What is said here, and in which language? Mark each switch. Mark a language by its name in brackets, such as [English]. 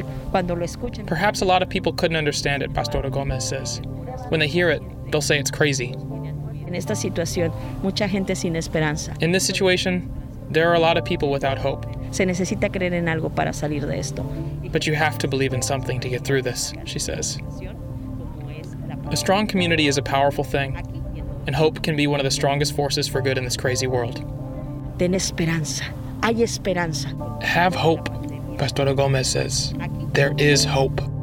[English] Perhaps a lot of people couldn't understand it, Pastora Gomez says. When they hear it, they'll say it's crazy. In this situation, there are a lot of people without hope. [Spanish] Se necesita creer en algo para salir de esto. [English] But you have to believe in something to get through this, she says. A strong community is a powerful thing. and hope can be one of the strongest forces for good in this crazy world. [Spanish] Ten esperanza. Hay esperanza. [English] Have hope, Pastora Gomez says. There is hope.